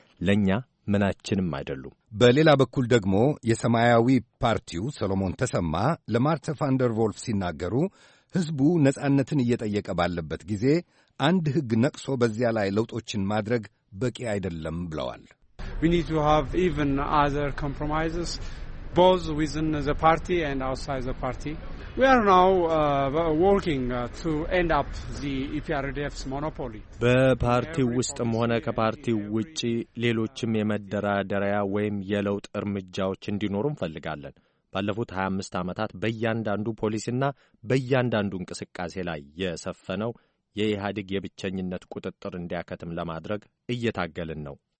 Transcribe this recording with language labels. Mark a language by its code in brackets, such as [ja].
[am] ለኛ ምናችንም አይደሉም። በሌላ በኩል ደግሞ የሰማያዊ ፓርቲው ሰለሞን ተሰማ ለማርተ ፋንደር ቮልፍ ሲናገሩ ህዝቡ ነጻነትን እየጠየቀ ባለበት ጊዜ አንድ ህግ ነቅሶ በዚያ ላይ ለውጦችን ማድረግ በቂ አይደለም ብለዋል። [en] We need to have even other compromises both within the party and outside the party. We are now working to end up the EPRDF's monopoly. [am] በፓርቲው ውስጥም ሆነ ከፓርቲው ውጪ ሌሎችም የመደራደሪያ ወይም የለውጥ እርምጃዎች እንዲኖሩ እንፈልጋለን። ባለፉት 25 አመታት በእያንዳንዱ ፖሊሲና በእያንዳንዱ እንቅስቃሴ ላይ የሰፈነው የኢሃድግ የብቸኝነት ቁጥጥር እንዲያከትም ለማድረግ እየታገልን ነው።